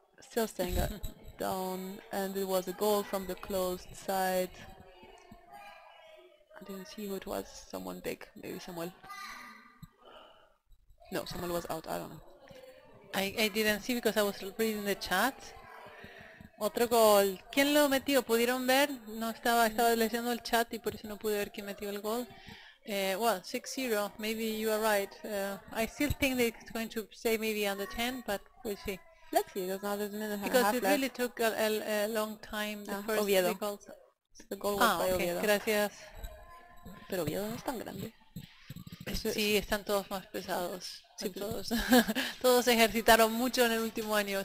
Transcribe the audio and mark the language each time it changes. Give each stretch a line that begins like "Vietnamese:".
English: Still staying down, and it was a goal from the closed side. I didn't see who it was, someone big, maybe Samuel. No, Samuel was out, I don't know. I didn't see because I was reading the chat.
Spanish: Otro gol. ¿Quién lo metió? ¿Pudieron ver? No estaba, estaba leyendo el chat y por eso no pude ver quién metió el gol.
English: Well, 6-0. Maybe you are right. I still think that it's going to stay maybe under 10, but we'll see. Let's see. There's not as many half. Because it left. Really took a long time. The first three goals. So the goal was by Oviedo.
Spanish: Gracias. Pero Oviedo no es tan grande. Sí, están todos más pesados. Sí, todos. Todos ejercitaron mucho en el último año.